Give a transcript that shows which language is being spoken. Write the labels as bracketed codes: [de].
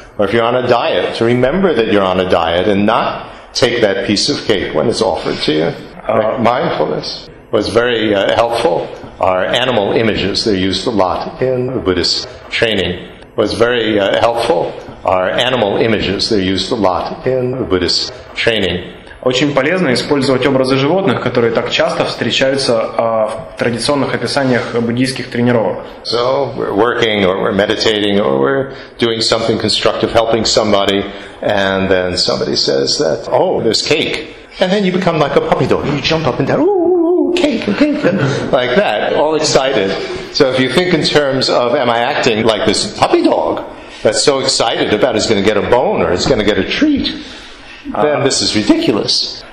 [en] Or if you're on a diet, to remember that you're on a diet and not take that piece of cake when it's offered to you. Correct mindfulness was very helpful. Our animal images, they're used a lot in the Buddhist training. Was very helpful. Our animal images, they're used a lot in the Buddhist training. [ru] Очень полезно использовать образы животных, которые так часто встречаются в традиционных описаниях буддийских тренировок. [en] So we're working, or we're meditating, or we're doing something constructive, helping somebody, and then somebody says that, oh, there's cake. And then you become like a puppy dog. You jump up and down, ooh, cake, cake. like that, all excited. So if you think in terms of, am I acting like this puppy dog that's so excited about it's going to get a bone or it's going to get a treat, then this is ridiculous.